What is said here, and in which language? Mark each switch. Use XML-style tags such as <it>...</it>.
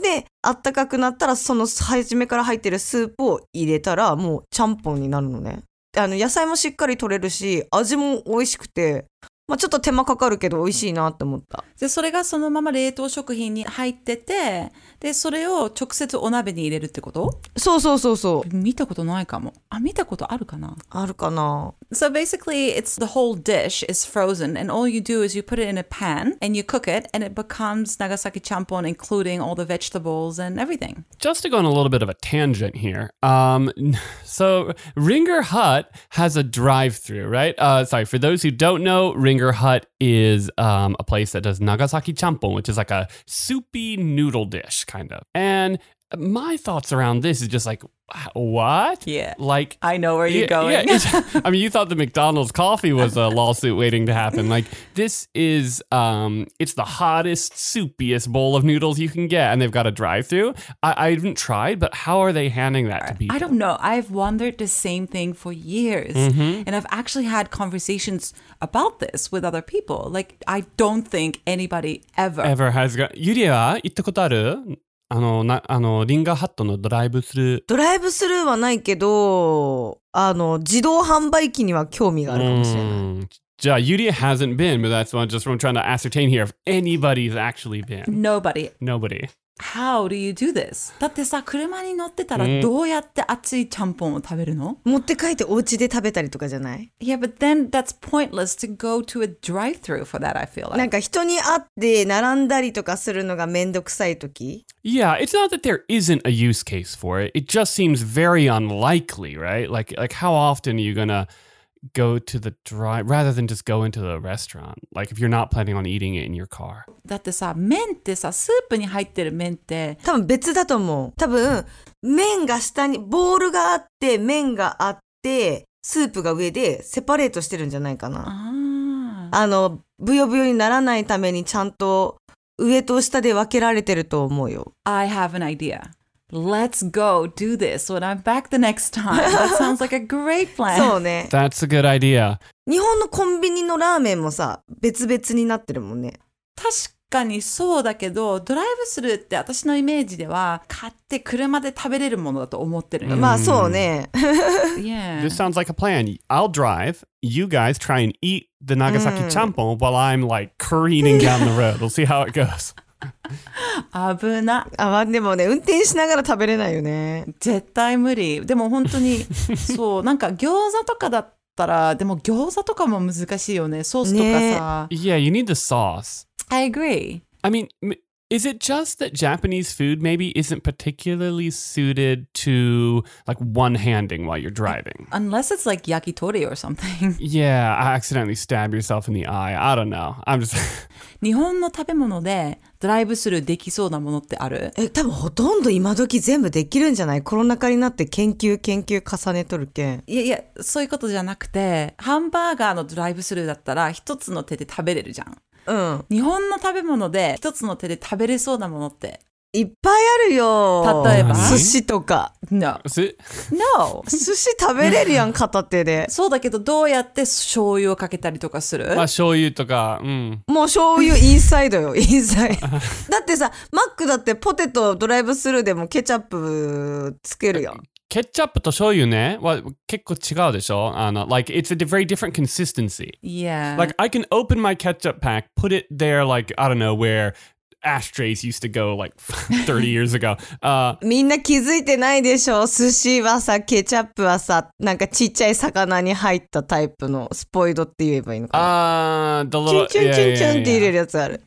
<ja>であったかくなったら、その初めから入ってるスープを入れたらもうちゃんぽんになるのね。あの野菜もしっかり取れるし、味も美味しくて、まあ、ちょっと手間かかるけど美味しいなって思った。でそれがそのまま冷凍食品に入ってて、でそれを直接お鍋に入れるってこと？そうそうそうそう。見たことないかも。あ、見たことあるかな？あるかな。</ja> <en>So basically it's the whole dish is frozen and all you do is you put it in a pan and you cook it and it becomes Nagasaki champon including all the vegetables and everything. Just to go on a little bit of a tangent here, so Ringer Hut has a drive-thru, right? Sorry, for those who don't know, Ringer Hut is a place that does Nagasaki champon, which is like a soupy noodle dish, kind of. And my thoughts around this is just like, what? Yeah. Like, I know where you're going. Yeah, I mean, you thought the McDonald's coffee was a lawsuit waiting to happen. Like, this is, it's the hottest, soupiest bowl of noodles you can get, and they've got a drive-thru. I haven't tried, but how are they handing that to people? I don't know. I've wondered the same thing for years. Mm-hmm. And I've actually had conversations about this with other people. Like, I don't think anybody ever... ever has got... Yuria,</en> <ja>行ったことある? あの、な、あの、リンガーハットのドライブスルー。ドライブスルーはないけど、あの、自動販売機には興味があるかもしれない。じゃあ、</ja> <en>Yuria hasn't been, but that's what I'm just trying to ascertain here if anybody's actually been. Nobody. Nobody. How do you do this?</en> <ja>だってさ、車に乗ってたらどうやって熱いちゃんぽんを食べるの？持って帰ってお家で食べたりとかじゃない？</ja> <en>Yeah, but then that's pointless to go to a drive-thru for that, I feel like.</en> <ja>なんか人に会って並んだりとかするのがめんどくさいとき？</ja> <en>Yeah, it's not that there isn't a use case for it. It just seems very unlikely, right? Like how often are you gonna go to the drive rather than just go into the restaurant? Like if you're not planning on eating it in your car.</en> <ja>だってさ、麺ってさ、スープに入ってる麺って多分別だと思う。多分麺が下にボールがあって、麺があってスープが上でセパレートしてるんじゃないかな。あのブヨブヨにならないためにちゃんと上と下で分けられてると思うよ。</ja> <en>I have an ideaLet's go do this when I'm back the next time. That sounds like a great plan.</en> <ja>そうね。</ja> <en>That's a good idea.</en> <ja>日本のコンビニのラーメンもさ、別々になってるもんね。確かにそうだけど、ドライブスルーって私のイメージでは買って車で食べれるものだと思ってる。まあそうね。</ja> <en>Yeah. This sounds like a plan. I'll drive. You guys try and eat the Nagasaki champon while I'm like careening down the road. We'll see how it goes.</en> <ja>危な。あ、まあ、でもね、運転しながら食べれないよね。絶対無理。でも本当にそう、なんか餃子とかだったら、でも餃子とかも難しいよね、ソースとかさ。ね、</ja> <en>Yeah, you need the sauce. I agree. I mean, is it just that Japanese food maybe isn't particularly suited to like one-handing while you're driving? Unless it's like yakitori or something. Yeah, I accidentally stab yourself in the eye. I don't know. I'm just...</en> <ja>日本の食べ物でドライブスルーできそうなものってある？え、多分ほとんど今時全部できるんじゃない？コロナ禍になって研究重ねとるけん。いやいや、そういうことじゃなくて、ハンバーガーのドライブスルーだったら一つの手で食べれるじゃん。うん。日本の食べ物で一つの手で食べれそうなものっていっぱいあるよ。例えば寿司とか。</ja> <en>No. No.</en> <ja>寿司食べれるやん片手で。そうだけど、どうやって醤油をかけたりとかする？まあ醤油とか、うん、もう醤油インサイドよ。インサイドだってさ、マックだってポテトドライブスルーでもケチャップつけるやん。ケチャップと醤油ね、は結構違うでしょ。</ja> <en>Like, it's a very different consistency. Yeah. Like, I can open my ketchup pack, put it there, like, I don't know, where ashtrays used to go like 30 years ago.</en> <ja>みんな気づいてないでしょ。寿司はさ、ケチャップはさ、なんかちっちゃい魚に入ったタイプのスポイドって言えばいいのかな。</ja> <en>The little</en> <ja>チュンチュンチュンって入れるやつある。</ja>